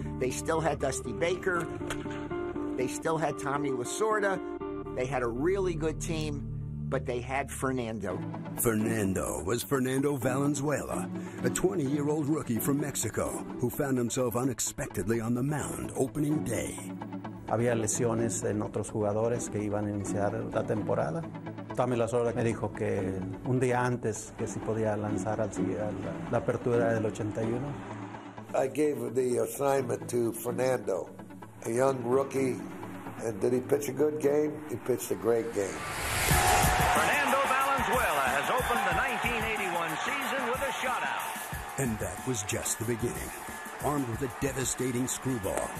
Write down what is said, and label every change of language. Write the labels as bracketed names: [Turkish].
[English] They still had Dusty Baker. They still had Tommy Lasorda. They had a really good team, but they had Fernando. Fernando was Fernando Valenzuela, a 20-year-old rookie from Mexico who found himself unexpectedly on the mound opening day. [Spanish] Había lesiones en otros jugadores que iban a iniciar la temporada. Tommy Lasorda me dijo que un día antes que si podía lanzar al la apertura del 81. [English] I gave the assignment to Fernando, a young rookie, and did he pitch a good game? He pitched a great game. Fernando Valenzuela has opened the 1981 season with a shutout. And that was just the beginning. Armed with a devastating screwball.